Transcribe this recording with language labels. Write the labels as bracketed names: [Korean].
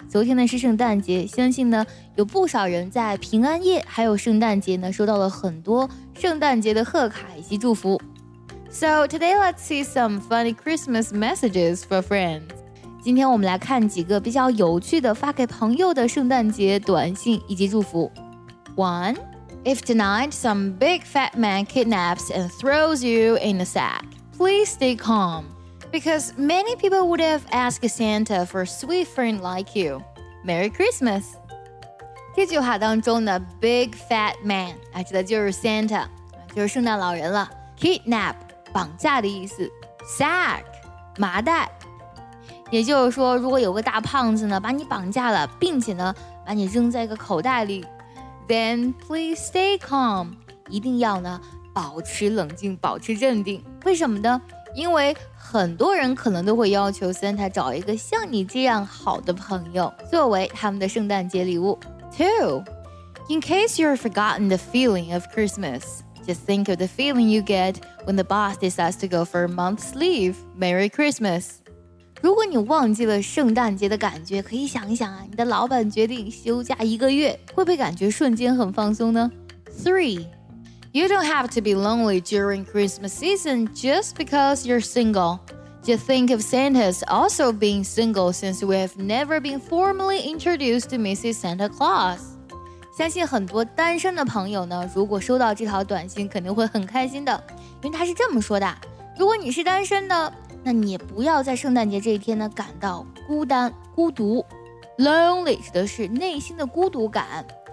[Chinese] 昨天呢是圣诞节，相信呢有不少人在平安夜还有圣诞节呢收到了很多圣诞节的贺卡以及祝福。 [English] So today let's see some funny Christmas messages for friends。 [Chinese] 今天我们来看几个比较有趣的发给朋友的圣诞节短信以及祝福。 1. [English] If tonight some big fat man kidnaps and throws you in a sack, please stay calmBecause many people would have asked Santa for a sweet friend like you. Merry Christmas! [Chinese] 这句话当中的 [English] big fat man, [Chinese] 指的就是 Santa, 就是圣诞老人了。 Kidnap, 绑架的意思。Sack, 麻袋。也就是说如果有个大胖子呢把你绑架了并且呢把你扔在一个口袋里。 [English] Then please stay calm, [Chinese] 一定要呢保持冷静保持镇定。为什么呢因为很多人可能都会要求 Santa 找一个像你这样好的朋友作为他们的圣诞节礼物。 2. [English] In case you've forgotten the feeling of Christmas, just think of the feeling you get when the boss decides to go for a month's leave. Merry Christmas! [Chinese] 如果你忘记了圣诞节的感觉可以想一想啊你的老板决定休假一个月会不会感觉瞬间很放松呢 3. [English] You don't have to be lonely during Christmas season just because you're single. Just think of Santa's also being single since we have never been formally introduced to Mrs. Santa Claus. [Chinese] 相信很多单身的朋友呢，如果收到这条短信，肯定会很开心的，因为他是这么说的：如果你是单身的，那你也不要在圣诞节这一天呢感到孤单、孤独。 Lonely 指的是内心的孤独感。